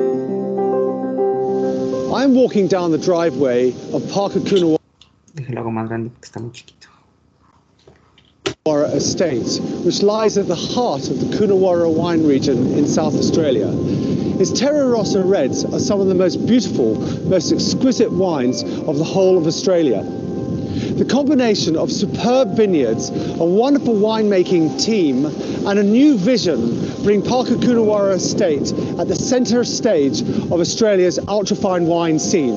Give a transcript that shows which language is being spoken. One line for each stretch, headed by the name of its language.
English: I'm walking down the driveway of Parker Coonawarra.
Spanish: Déjalo algo más grande porque está muy chiquito.
English: Coonawarra Estate, which lies at the heart of the Coonawarra wine region in South Australia. His Terra Rossa Reds are some of the most beautiful, most exquisite wines of the whole of Australia. The combination of superb vineyards, a wonderful winemaking team, and a new vision bring Parker Coonawarra Estate at the center stage of Australia's ultra-fine wine scene.